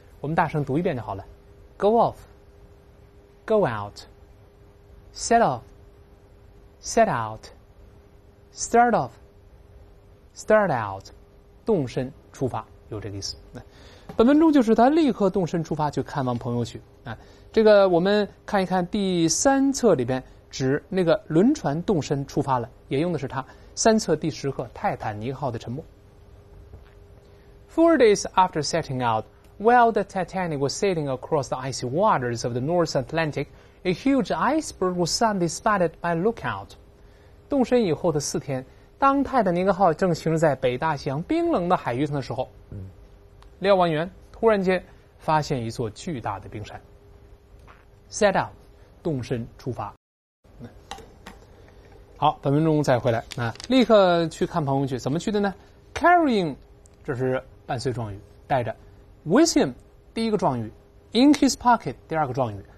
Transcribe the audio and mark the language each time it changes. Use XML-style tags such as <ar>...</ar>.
<zh>我们大声读一遍就好了。</zh> <en>Go off, go out, set off, set out, start off, start out,</en> <zh>动身出发，有这个意思。本文中就是他立刻动身出发去看望朋友去。这个我们看一看第三册里边指那个轮船动身出发了，也用的是他。三册第十课《泰坦尼克号的沉没》。</zh> <en>Four days after setting out, while the Titanic was sailing across the icy waters of the North Atlantic, a huge iceberg was suddenly spotted by lookout.</en> <zh>动身以后的四天，当泰坦尼克号正行驶在北大西洋冰冷的海域上的时候，瞭望员突然间发现一座巨大的冰山。</zh> <en>Set out,</en> <zh>动身出发。好，本文中再回来啊，立刻去看朋友去，怎么去的呢 ？</zh> <en>Carrying，</en> <zh>这是伴随状语，带着 ；</zh> <en>with him，</en> <zh>第一个状语 ；</zh> <en>in his pocket，</en> <zh>第二个状语。</zh>